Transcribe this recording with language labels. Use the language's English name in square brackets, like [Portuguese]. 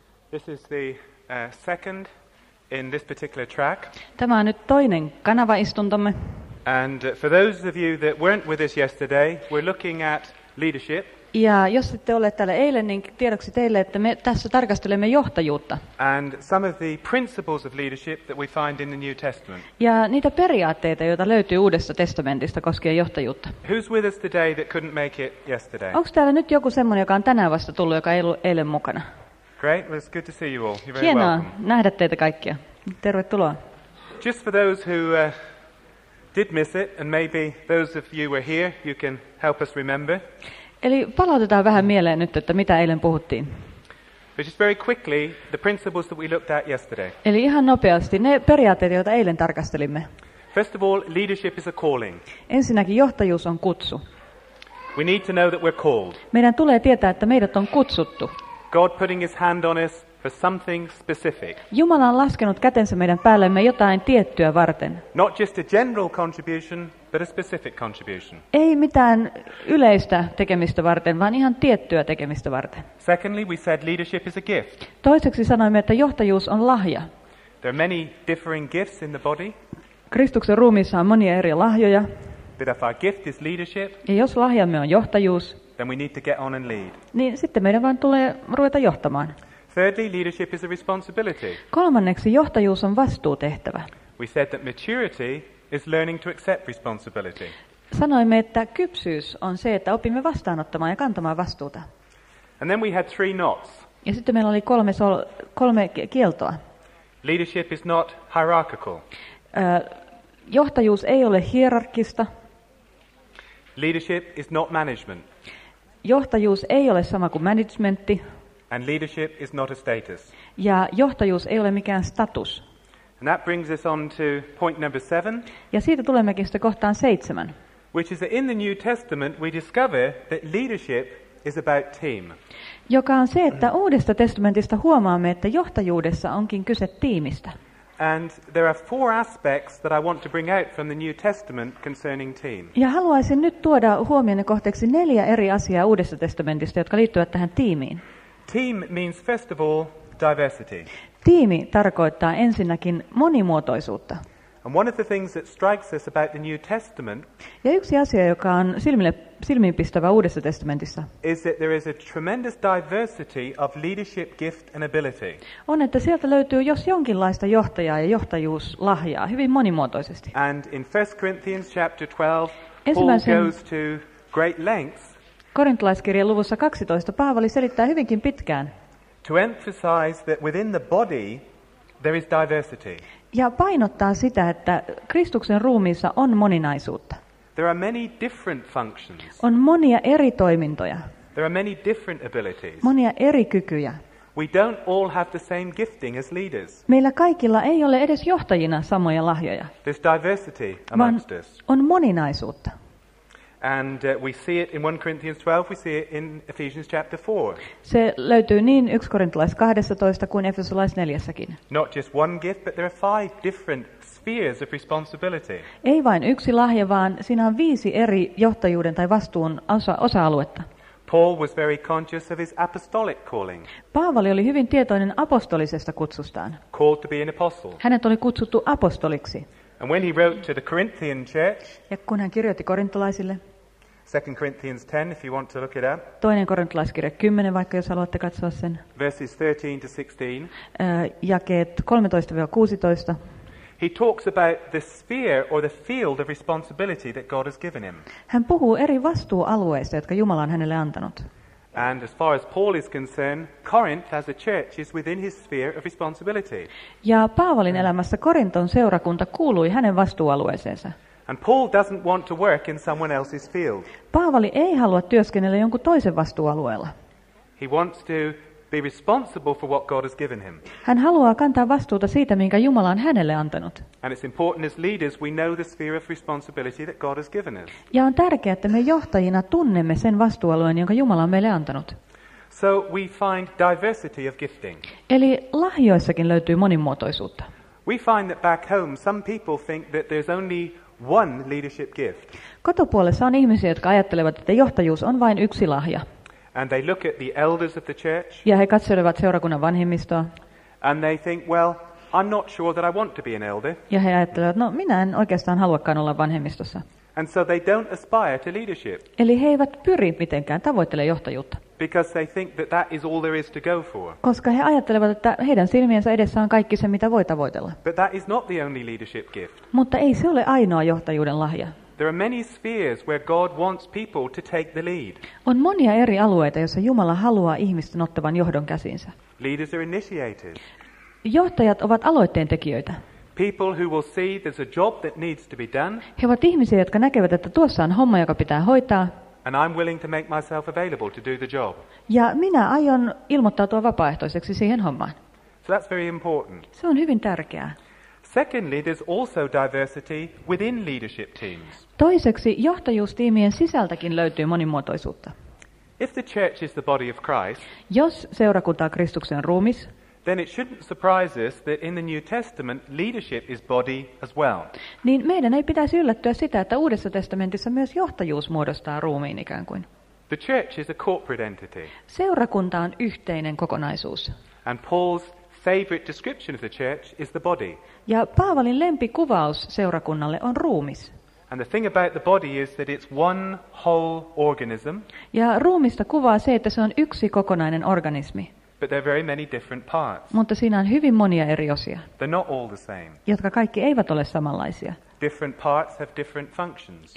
[English] This is the second in this particular track. [Finnish] Tämä on nyt toinen kanavaistuntomme. [English] And for those of you that weren't with us yesterday, we're looking at leadership. [Finnish] Ja jos ette ole täällä eilen, niin tiedoksi teille, että me tässä tarkastelemme johtajuutta. [English] And some of the principles of leadership that we find in the New Testament. [Finnish] Ja niitä periaatteita, joita löytyy Uudesta testamentista koskien johtajuutta. [English] Who's with us today that couldn't make it yesterday? [Finnish] Onko täällä nyt joku semmoinen, joka on tänään vasta tullut, joka ei ollut eilen mukana? [English] Great, well, it's good to see you all. You're very welcome. [Finnish] Hienoa nähdä teitä kaikkia. Tervetuloa. [English] Just for those who did miss it, and maybe those of you were here, you can help us remember. [Finnish] Eli palautetaan vähän mieleen nyt, että mitä eilen puhuttiin. [English] Very quickly, the principles that we looked at yesterday. [Finnish] Eli ihan nopeasti, ne periaatteet, joita eilen tarkastelimme. [English] First of all, leadership is a calling. [Finnish] Ensinnäkin johtajuus on kutsu. [English] We need to know that we're called. [Finnish] Meidän tulee tietää, että meidät on kutsuttu. [English] God putting his hand on us for something specific. [Finnish] Jumala on laskenut kätensä meidän päällemme jotain tiettyä varten. [English] Not just a general contribution, but a specific contribution. [Finnish] Ei mitään yleistä tekemistä varten, vaan ihan tiettyä tekemistä varten. [English] Secondly, we said leadership is a gift. [Finnish] Toiseksi sanoimme, että johtajuus on lahja. [English] There are many differing gifts in the body. [Finnish] Kristuksen ruumiissa on monia eri lahjoja. [English] But if our gift is leadership, [Finnish] ja jos lahjamme on johtajuus, [English] then we need to get on and lead. [Finnish] Niin sitten meidän vaan tulee ruveta johtamaan. [English] Thirdly, leadership is a responsibility. [Finnish] Kolmanneksi johtajuus on vastuutehtävä. [English] We said that maturity is learning to accept responsibility. [Finnish] Sanoimme, että kypsyys on se, että opimme vastaanottamaan ja kantamaan vastuuta. [English] And then we had three knots. [Finnish] Ja sitten meillä oli kolme kieltoa. [English] Leadership is not hierarchical. [Finnish] Johtajuus ei ole hierarkkista. [English] Leadership is not management. [Finnish] Johtajuus ei ole sama kuin managementti. [English] And leadership is not a status. [Finnish] Ja johtajuus ei ole mikään status. [English] And that brings us on to point number 7. [Finnish] Ja siitä tulemmekin sitten kohtaan 7. [English] Which is that in the New Testament we discover that leadership is about team. [Finnish] Joka on se, että Uudesta testamentista huomaamme, että johtajuudessa onkin kyse tiimistä. [English] And there are four aspects that I want to bring out from the New Testament concerning team. [Finnish] Ja haluaisin nyt tuoda huomioon kohteeksi 4 eri asiaa Uudesta testamentista, jotka liittyvät tähän tiimiin. [English] Team means first of all diversity. [Finnish] Tiimi tarkoittaa ensinnäkin monimuotoisuutta. [English] And one of the things that strikes us about the New Testament. [Finnish] Ja yksi asia, joka on silmiinpistävä Uudessa testamentissa. [English] Is that there is a tremendous diversity of leadership gift and ability. [Finnish] On, että sieltä löytyy jos jonkinlaista johtajaa ja johtajuuslahjaa hyvin monimuotoisesti. [English] And in 1 Corinthians chapter 12, Paul goes to great lengths. [Finnish] Korintolaiskirjan luvussa 12 Paavali selittää hyvinkin pitkään. [English] To emphasize that within the body there is diversity. [Finnish] Ja painottaa sitä, että Kristuksen ruumiissa on moninaisuutta. [English] There are many different functions. [Finnish] On monia eri toimintoja. [English] There are many different abilities. [Finnish] Monia eri kykyjä. [English] We don't all have the same gifting as leaders. [Finnish] Meillä kaikilla ei ole edes johtajina samoja lahjoja. [English] There's diversity amongst us. [Finnish] On moninaisuutta. [English] And we see it in 1 Corinthians 12, we see it in Ephesians chapter 4. [Finnish] Se löytyy niin 1 Korintolais 12 kuin Efesolais 4:ssäkin. [English] Not just one gift, but there are 5 different spheres of responsibility. [Finnish] Ei vain yksi lahja, vaan siinä on 5 eri johtajuuden tai vastuun osa-aluetta. [English] Paul was very conscious of his apostolic calling. [Finnish] Paavali oli hyvin tietoinen apostolisesta kutsustaan. [English] Called to be an apostle. [Finnish] Hänet oli kutsuttu apostoliksi. [English] And when he wrote to the Corinthian church, [Finnish] ja kun hän kirjoitti korintolaisille, [English] 2 Corinthians 10, if you want to look it up, [Finnish] toinen korintolaiskirja 10, vaikka jos haluatte katsoa sen, [English] verses 13 to 16, [Finnish] jakeet 13-16, [English] he talks about the sphere or the field of responsibility that God has given him. [Finnish] Hän puhuu eri vastuualueista, jotka Jumala on hänelle antanut. [English] And as far as Paul is concerned, Corinth as a church is within his sphere of responsibility. [Finnish] Ja Paavalin elämässä Korinton seurakunta kuului hänen vastuualueeseensa. [English] And Paul doesn't want to work in someone else's field. [Finnish] Paavali ei halua työskennellä jonkun toisen vastuualueella. [English] He wants to be responsible for what God has given him. [Finnish] Hän haluaa kantaa vastuuta siitä, minkä Jumala on hänelle antanut. [English] And it's important as leaders we know the sphere of responsibility that God has given us. [Finnish] Ja on tärkeää, että me johtajina tunnemme sen vastuualueen, jonka Jumala on meille antanut. [English] So we find diversity of gifting. [Finnish] Eli lahjoissakin löytyy monimuotoisuutta. [English] We find that back home some people think that there's only one leadership gift. [Finnish] Kotopuolessa on ihmisiä, jotka ajattelevat, että johtajuus on vain yksi lahja. [English] And they look at the elders of the church. [Finnish] Ja he katselevat seurakunnan vanhimmistoa. [English] And they think, well, I'm not sure that I want to be an elder. [Finnish] Ja he ajattelevat, no minä en oikeastaan haluakaan olla vanhimmistossa. [English] And so they don't aspire to leadership. [Finnish] Eli he eivät pyri mitenkään tavoittele johtajuutta. [English] Because they think that that is all there is to go for. [Finnish] Koska he ajattelevat, että heidän silmiensä edessä on kaikki se, mitä voi tavoitella. [English] But that is not the only leadership gift. [Finnish] Mutta ei se ole ainoa johtajuuden lahja. [English] There are many spheres where God wants people to take the lead. [Finnish] On monia eri alueita, joissa Jumala haluaa ihmisten ottavan johdon käsiinsä. [English] Leaders are initiators. [Finnish] Johtajat ovat aloitteen tekijöitä. [English] People who will see there's a job that needs to be done. [Finnish] He ovat ihmisiä, jotka näkevät, että tuossa on homma, joka pitää hoitaa. [English] And I'm willing to make myself available to do the job. [Finnish] Ja minä aion ilmoittautua vapaaehtoiseksi siihen hommaan. [English] So that's very important. [Finnish] Se on hyvin tärkeää. [English] Secondly, there's also diversity within leadership teams. [Finnish] Toiseksi, johtajuustiimien sisältäkin löytyy monimuotoisuutta. [English] If the church is the body of Christ, [Finnish] jos seurakunta on Kristuksen ruumis, [English] then it shouldn't surprise us that in the New Testament leadership is body as well. [Finnish] Niin meidän ei pitäisi yllättyä sitä, että Uudessa testamentissa myös johtajuus muodostaa ruumiin ikään kuin. [English] The church is a corporate entity. [Finnish] Seurakunta on yhteinen kokonaisuus. [English] And Paul's favorite description of the church is the body. [Finnish] Ja Paavalin lempikuvaus seurakunnalle on ruumis. [English] And the thing about the body is that it's one whole organism. [Finnish] Ja ruumista kuvaa se, että se on yksi kokonainen organismi. [English] But there are very many different parts. [Finnish] Mutta siinä on hyvin monia eri osia. [English] They're not all the same. [Finnish] Jotka kaikki eivät ole samanlaisia. [English] Different parts have different functions.